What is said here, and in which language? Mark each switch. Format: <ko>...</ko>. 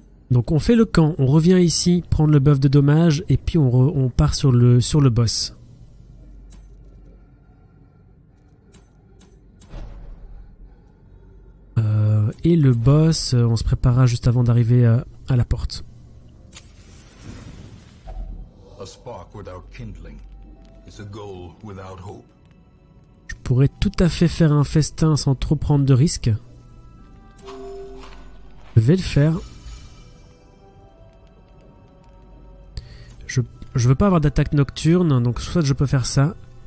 <fr>Donc on fait le camp, on revient ici prendre le buff de dommage et puis on part sur le boss. Et le boss, on se préparera juste avant d'arriver à la porte.</fr> <en>A spark without kindling is a goal without hope.</en> <fr>Je pourrais tout à fait faire un festin sans trop prendre de risques. Je vais le faire. Je veux pas avoir d'attaque nocturne, donc soit je peux faire ça.</fr>